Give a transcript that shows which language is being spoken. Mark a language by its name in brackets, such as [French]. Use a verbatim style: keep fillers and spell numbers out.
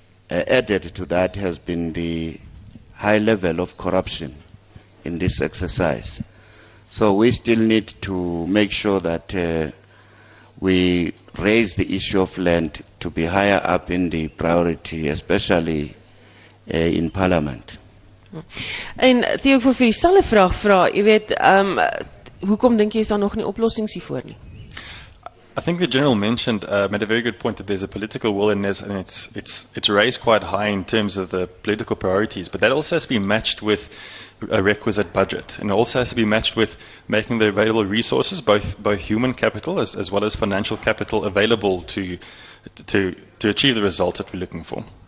[English] Uh, added to that has been the high level of corruption in this exercise. So we still need to make sure that uh, we raise the issue of land to be higher up in the priority, especially uh, in Parliament. [Afrikaans] En Theo, ek wil vir dieselfde vraag vra, jy weet, um, hoekom dink jy is daar nog nie oplossings hiervoor nie? [English] I think the General mentioned, uh, made a very good point that there's a political will and, there's, and it's, it's, it's raised quite high in terms of the political priorities, but that also has to be matched with a requisite budget, and it also has to be matched with making the available resources, both both human capital as, as well as financial capital, available to to to achieve the results that we're looking for.